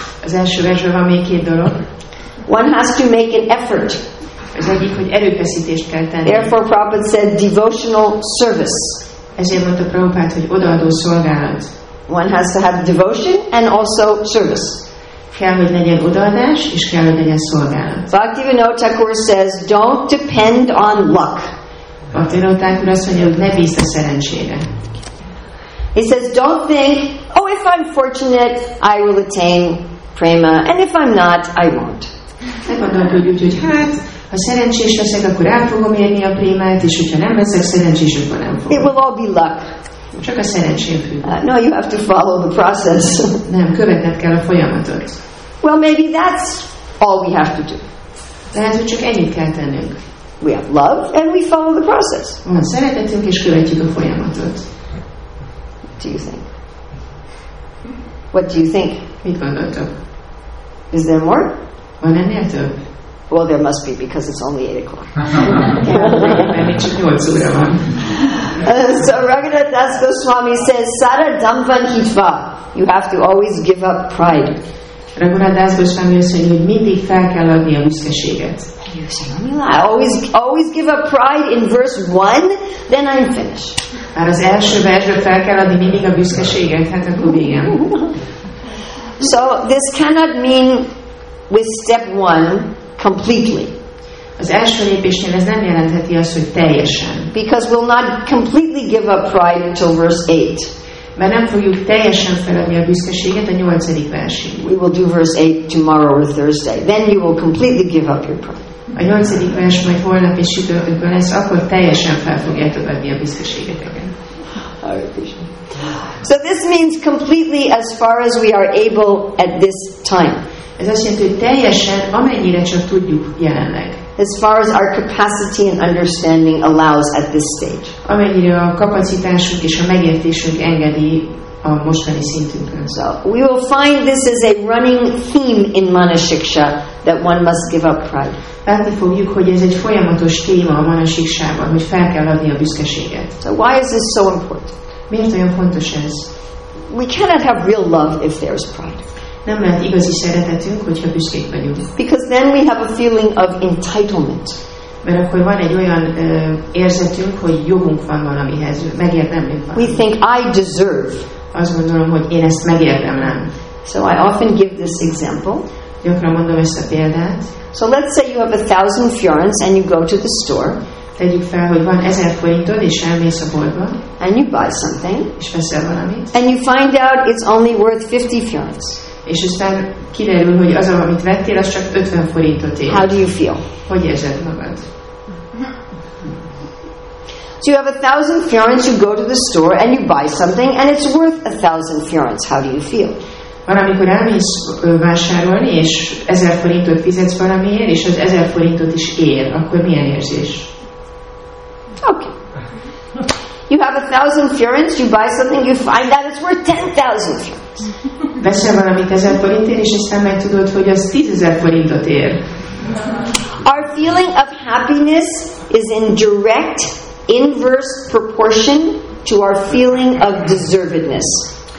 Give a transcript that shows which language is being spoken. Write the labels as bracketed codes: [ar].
[hu] Az első versben van még két dolog. [en] One has to make an effort. [hu] Az egyik, hogy erőfeszítést kell tenni. [en] Therefore, Prabhupada said, devotional service. [hu] Ezért mondta Prabhupada, hogy odaadó szolgálat. [en] One has to have devotion and also service. [hu] Kell, hogy legyen odaadás, és kell, hogy legyen szolgálat. [en] Bhaktivinoda Thakur says, don't depend on luck. [hu] Bhaktivinoda azt mondja, hogy ne bízd a szerencsére. [en] He says, don't think, oh, if I'm fortunate, I will attain prema, and if I'm not, I won't. [hu] Ne gondolkodj úgy, hogy hát, ha szerencsés leszek, akkor el fogom érni a prémát, és hogyha nem leszek, szerencsés, akkor nem fogom. [en] It will all be luck. [hu] Csak a szerencsém függ. [en] No, you have to follow the process. [hu] Nem, követned kell a folyamatot. [en] Well, maybe that's all we have to do. [hu] Lehet, hogy csak ennyit kell tennünk. [en] We have love, and we follow the process. [hu] Van szeretetünk, és követjük a folyamatot. [en] Do you think? What do you think? [hu] Mit gondoltok? [en] Is there more? [hu] Van ennél több? [en] Well, there must be, because it's only 8 o'clock. So Raghunath Das Goswami says, Sara damvan hitva. You have to always give up pride. [hu] Raghunath Das Goswami azt mondja, hogy mindig fel kell adni a büszkeséget. [en] I always give up pride in verse 1, then I'm finished. [hu] Hát az első versről fel kell adni mindig a büszkeséget, hát akkor igen. [en] So this cannot mean with step 1 completely. [hu] Az első lépésnél ez nem jelentheti azt, hogy teljesen. [en] Because we'll not completely give up pride until verse 8. [hu] Mert nem fogjuk teljesen feladni a büszkeséget a 8. versig. [en] We will do verse 8 tomorrow or Thursday. Then you will completely give up your pride. [hu] A 8. vers majd holnap és időben lesz, akkor teljesen fel fogjátok adni a büszkeségeteket. [en] So this means completely as far as we are able at this time. [hu] Ez azt jelenti, hogy teljesen, amennyire csak tudjuk jelenleg. [en] As far as our capacity and understanding allows at this stage. [hu] Amennyire a kapacitásunk és a megértésünk engedi a mostani szintünkön. [en] So we will find this is a running theme in Manasiksha that one must give up pride. [hu] Látni fogjuk, hogy ez egy folyamatos téma a Manasiksában, hogy fel kell adni a büszkeséget. [en] So why is this so important? [hu] Miért olyan fontos ez? [en] We cannot have real love if there is pride. [hu] Nem lehet igazi szeretetünk, hogyha büszkék vagyunk. [en] Because then we have a feeling of entitlement. [hu] Mert akkor van egy olyan érzetünk, hogy jogunk van valamihez, megérdemlünk valamit. [en] We think I deserve. [hu] Azt gondolom, hogy én ezt megérdemlem. [en] So I often give this example. [hu] Gyakran mondom ezt a példát. [en] So let's say you have 1,000 florins and you go to the store. [hu] Tegyük fel, hogy van 1,000 forintod és elmész a boltba. [en] And you buy something. [hu] És veszel valamit. [en] And you find out it's only worth 50 florins. [hu] És aztán kiderül, hogy az, amit vettél, az csak 50 forintot ér. [en] How do you feel? [hu] Hogy érzed magad? [en] So you have 1,000 florins, you go to the store and you buy something and it's worth 1,000 florins. How do you feel? [hu] Van, amikor elmész vásárolni és 1,000 forintot fizetsz valamiért és az 1,000 forintot is ér, akkor milyen érzés? [en] Okay. You have 1,000 florins, you buy something, you find out it's worth 10,000 florins. [hu] Veszel valamit 1,000 forintért és aztán megtudod, hogy az 10,000 forintot ér. [en] Our feeling of happiness is in direct inverse proportion to our feeling of deservedness.